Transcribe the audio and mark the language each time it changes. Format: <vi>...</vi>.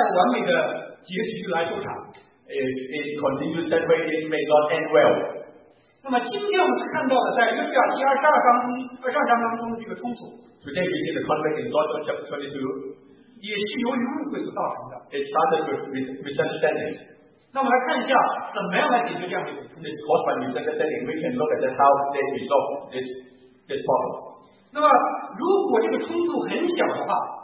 <zh>就会以不太完美的结局来收场。</zh> <en>It continues that way, it may not end well.</en> <zh>那么今天我们看到的，在约书亚第二十二章中这个冲突。</zh> <en>Today we see the conflict in Joshua chapter 22.</en> <zh>也是由于误会所造成的。</zh> <en>It started with misunderstanding.</en> <zh>那我们来看一下怎么样来解决这样的冲突。</zh> <en>It's caused by misunderstanding. We can look at how they resolve this problem.</en> <zh>那么如果这个冲突很小的话。</zh>